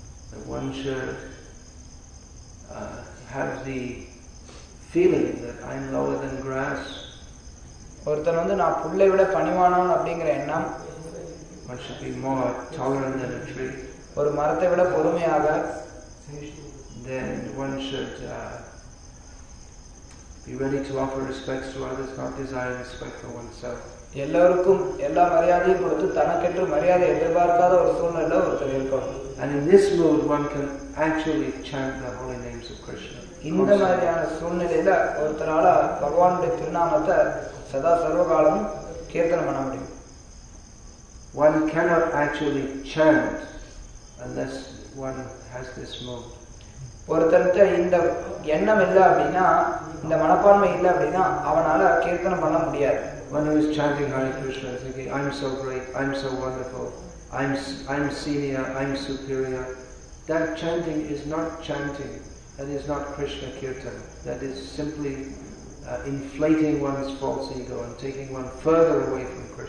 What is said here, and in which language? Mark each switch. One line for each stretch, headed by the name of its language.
English: That one should have the feeling that I'm lower than grass.
Tamil: ஒருத்தன் வந்து நான் புள்ளை விட பணிவானவன் அப்படிங்கிற எண்ணம்.
English: One should be more tolerant than a tree.
Tamil: ஒரு மரத்தை விட பொறுமையாக.
English: Then one should be ready to offer respects to others, not desire respect for oneself.
Tamil: எல்லாருக்கும் எல்லா மரியாதையும் கொடுத்து தனக்கென்று மரியாதை எதிர்பார்க்காத ஒரு சூழ்நிலை ஒருத்தர் இருக்கும்.
English: And in this mood, one can actually chant the holy names of Krishna.
Tamil: இந்த மாதிரியான சூழ்நிலையில ஒருத்தரால பகவானுடைய திருநாமத்தை சதா சர்வகாலமும் கீர்த்தனம் பண்ண முடியும்.
English: One cannot actually chant unless one has this mood.
Tamil: ஒருத்தருக்கு இந்த எண்ணம் இல்லை அப்படின்னா, இந்த மனப்பான்மை இல்லை அப்படின்னா அவனால கீர்த்தனம் பண்ண முடியாது.
English: When he was chanting Hare Krishna, thinking, I'm so great, I'm so wonderful, I'm senior, I'm superior. That chanting is not chanting, that is not Krishna Kirtan. That is simply inflating one's false ego and taking one further away from